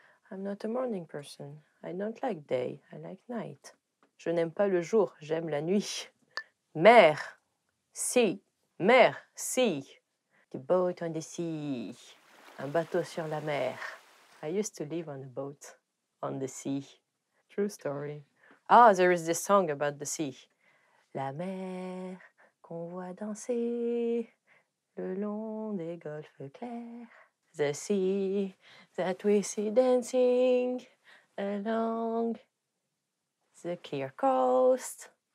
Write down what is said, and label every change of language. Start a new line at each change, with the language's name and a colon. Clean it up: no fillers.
English: I'm not a morning person. I don't like day. I like night.
French: Je n'aime pas le jour. J'aime la nuit.
English: Mère. Si. Mer, sea. The boat on the sea.
French: Un bateau sur la mer.
English: I used to live on a boat on the sea. True story. Ah, there is this song about the sea.
French: La mer qu'on voit danser le long des golfes clairs.
English: The sea that we see dancing along the clear coast.